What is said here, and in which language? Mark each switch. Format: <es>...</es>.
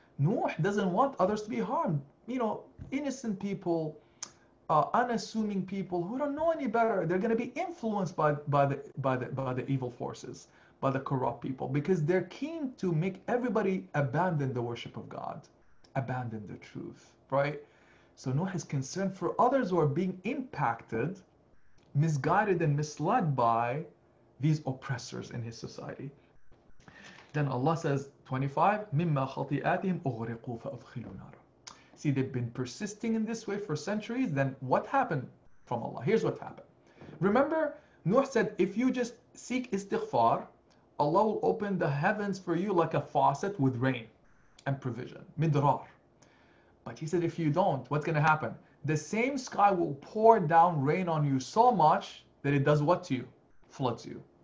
<en>Nuh doesn't want others to be harmed. You know, innocent people, unassuming people who don't know any better, they're going to be influenced by the evil forces, by the corrupt people, because they're keen to make everybody abandon the worship of God, abandon the truth. Right? So Nuh is concerned for others who are being impacted misguided and misled by these oppressors in his society. Then Allah says, 25,</en> <ar>مِمَّا خَطِئَاتِهِمْ أُغْرِقُوا فَأَدْخِلُوا نَارًا.</ar> <en>See, they've been persisting in this way for centuries. Then what happened from Allah? Here's what happened. Remember, Nuh said, if you just seek istighfar, Allah will open the heavens for you like a faucet with rain and provision. Midrar. But he said, if you don't, what's going to happen? The same sky will pour down rain on you so much that it does what to you? Floods you.</en>